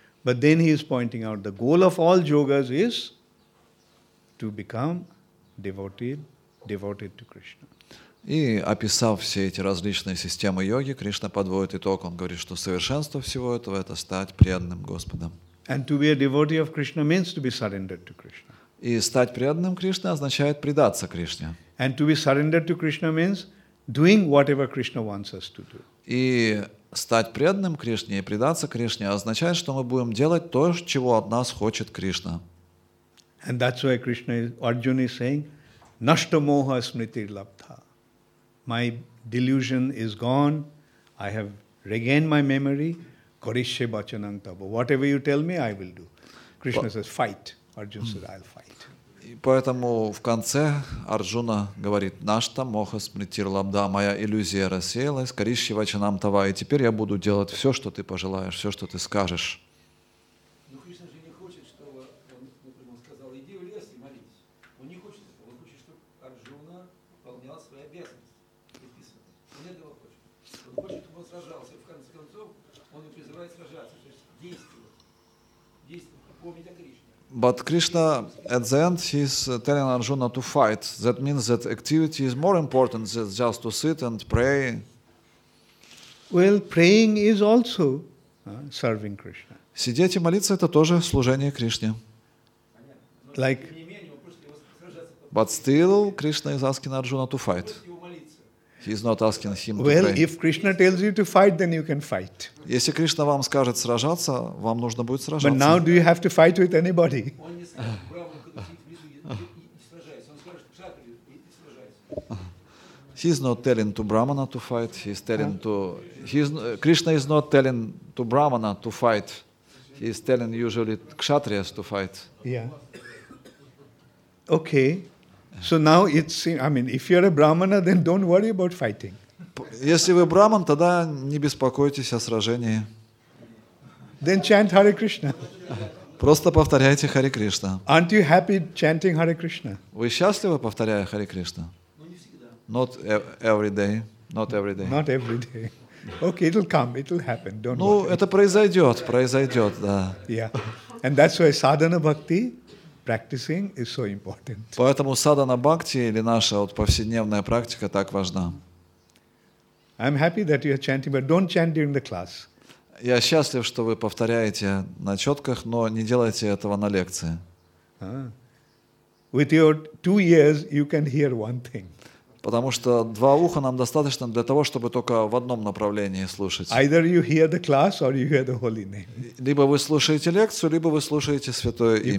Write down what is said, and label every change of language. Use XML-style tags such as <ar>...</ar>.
<en>But then he is pointing out, the goal of all yogas is to become devoted to Krishna.</en> <ru>И описав все эти различные системы йоги, Кришна подводит итог. Он говорит, что совершенство всего этого – это стать преданным Господом.</ru> <en>And to be a devotee of Krishna means to be surrendered to Krishna.</en> <ru>И стать преданным Кришне означает предаться Кришне.</ru> <en>And to be surrendered to Krishna means doing whatever Krishna wants us to do.</en> <ru>И стать преданным Кришне и предаться Кришне означает, что мы будем делать то, чего от нас хочет Кришна.</ru> <en>And that's why Krishna, Arjuna is saying,</en> <sa>"Nashta moha smriti labdha."</sa> <en>My delusion is gone. I have regained my memory.</en> <sa>Karishye bachanam tava.</sa> <en>Whatever you tell me, I will do. Krishna says, fight. Arjuna says, I'll fight.</en> <ru>И поэтому в конце Арджуна говорит,</ru> <sa>нашта моха смритир лабда,</sa> <ru>моя иллюзия рассеялась,</ru> <sa>карищи бачанам тава,</sa> <ru>и теперь я буду делать все, что ты пожелаешь, все, что ты скажешь.</ru> <en>But Krishna, at the end, he's telling Arjuna to fight. That means that activity is more important than just to sit and pray. Well, praying is also serving Krishna.</en> <ru>Сидеть и молиться – это тоже служение Кришне.</ru> <en>Like, but still, Krishna is asking Arjuna to fight. He's not asking him well, to pray. If Krishna tells you to fight, then you can fight.</en> <ru>Если Кришна вам скажет сражаться, вам нужно будет сражаться.</ru> <en>But now do you have to fight with anybody? He's not telling to Brahmana to fight. He's telling to Krishna is not telling to Brahmana to fight. He's telling usually Kshatriyas to fight. Yeah. Okay. So now it's, if you're a Brahmana, then don't worry about fighting.</en> <ru>Если вы Брахман, тогда не беспокойтесь о сражении.</ru> <en>Then chant Hare Krishna.</en> <ru>Просто повторяйте Hare Krishna.</ru> <en>Aren't you happy chanting Hare Krishna?</en> <ru>Вы счастливы, повторяя Hare Krishna?</ru> <en>Not every day. Not every day. Not every day. Okay, it'll come, it'll happen. Don't</en> <ru>ну,</ru> <en>worry.</en> <ru>Это произойдет, да.</ru> <en>Yeah. And that's why sadhana bhakti, practicing is so important.</en> <ru>Поэтому садхана бхакти или наша вот повседневная практика так важна.</ru> <en>I'm happy that you are chanting, but don't chant during the class.</en> <ru>Я счастлив, что вы повторяете на четках, но не делайте этого на лекции.</ru> <en>With your two ears, you can hear one thing.</en> <ru>Потому что два уха нам достаточно для того, чтобы только в одном направлении слушать.</ru> <en>Either you hear the class or you hear the holy name.</en> <ru>Либо вы слушаете лекцию, либо вы слушаете святое имя.</ru>